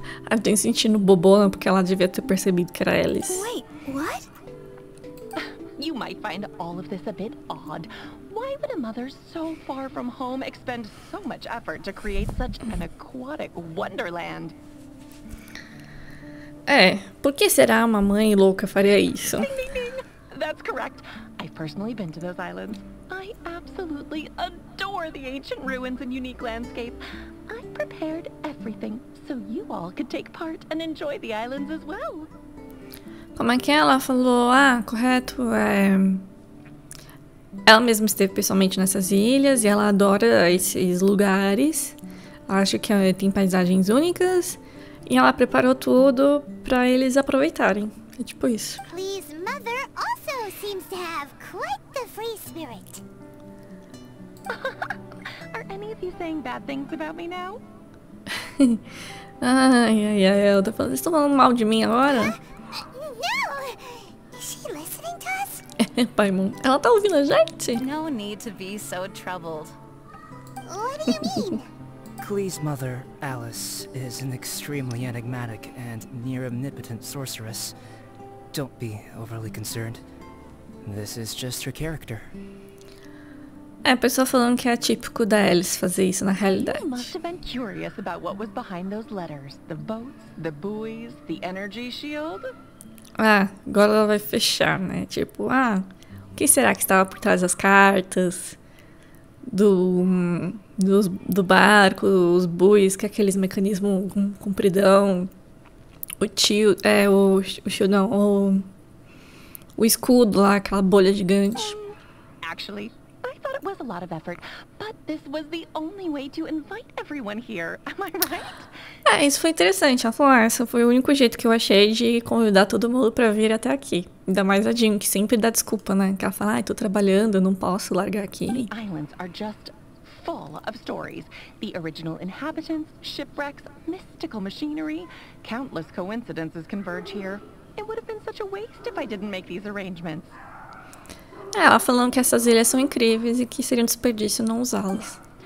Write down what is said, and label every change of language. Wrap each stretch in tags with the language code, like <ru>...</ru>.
<pt>Eu tô sentindo bobona porque ela devia ter percebido que era Alice.</pt> <en>Wait, what? You might find all of this a bit odd. Why would a mother so far from home expend so much effort to create such an aquatic wonderland?</en> <pt>Por que será uma mãe louca faria isso?</pt> <en>That's correct. I've personally been to those islands. I absolutely adore the ancient ruins and unique landscape. I prepared everything so you all could take part and enjoy the islands as well.</en> <pt>Como é que ela falou? Correto. Ela mesma esteve pessoalmente nessas ilhas e ela adora esses lugares. Acho que tem paisagens únicas. E ela preparou tudo pra eles aproveitarem. É tipo isso.</pt> <en>Klee's mother also seems to have quite the free spirit. Are any of you saying bad things about me now?</en> <pt>Eu tô falando. Vocês estão falando mal de mim agora? Não!</pt> <en>Is she listening to us?</en> <pt>Paimon, ela tá ouvindo a gente?</pt> <en>No need to be so troubled. What do you mean? Klee's mother, Alice, is an extremely enigmatic and near omnipotent sorceress. Don't be overly concerned. This is just her character.</en> <pt>A pessoa falando que é típico da Alice fazer isso na realidade.</pt> <en>You must have been curious about what was behind those letters. The boats, the buoys, the energy shield?</en> <pt>Agora ela vai fechar, né? Tipo, o que será que estava por trás das cartas? Do barco, os buis, que é aqueles mecanismos compridão. O escudo lá, aquela bolha gigante.</pt> <en>Actually, I thought it it was a lot of effort, but this was the only way to invite everyone here. Am I right?</en> <pt>É, isso foi interessante. Ela falou, ah, esse foi o único jeito que eu achei de convidar todo mundo pra vir até aqui. Ainda mais a Jim, que sempre dá desculpa, né? Que ela fala, ah, tô trabalhando, não posso largar aqui.</pt> <en>The islands are just full of stories. The original inhabitants, shipwrecks, mystical machinery. Countless coincidences converge here. It would have been such a waste if I didn't make these arrangements.</en> <pt>É, ela falando que essas ilhas são incríveis e que seria um desperdício não usá-las.</pt>